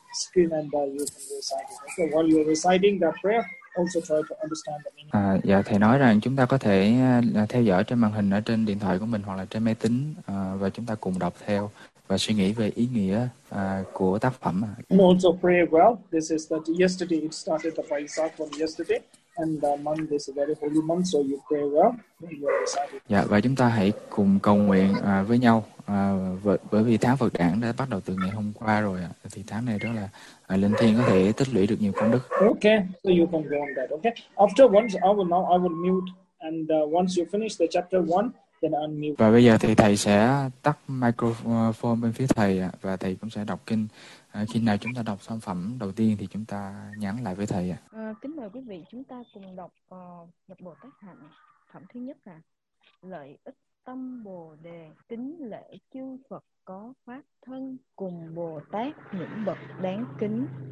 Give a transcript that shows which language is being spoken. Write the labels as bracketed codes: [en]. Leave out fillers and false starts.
[en] Screen and you can recite it. Okay, while you're reciting that prayer, also try to understand the meaning. [vi] Dạ, thầy nói rằng chúng ta có thể theo dõi trên màn hình ở trên điện thoại của mình hoặc là trên máy tính và chúng ta cùng đọc theo và suy nghĩ về ý nghĩa của tác phẩm. [en] And also pray well. This is that yesterday it started the Vaisak from yesterday and the month this is a very holy month, so you pray well. [vi] Dạ, và chúng ta hãy cùng cầu nguyện với nhau bởi vì tháng Phật đản đã bắt đầu từ ngày hôm qua rồi thì tháng này rất là linh thiêng, có thể tích lũy được nhiều công đức. [en] Okay, so you can go on that. Okay, after once I will mute and once you finish the chapter 1, [vi] và bây giờ thì thầy sẽ tắt microphone bên phía thầy và thầy cũng sẽ đọc kinh. Khi nào chúng ta đọc xong phẩm đầu tiên thì chúng ta nhắn lại với thầy. Kính mời quý vị chúng ta cùng đọc nhập bộ tác hạnh phẩm thứ nhất là lợi ích tâm bồ đề, kính lễ chư Phật có pháp thân cùng Bồ Tát những bậc đáng kính.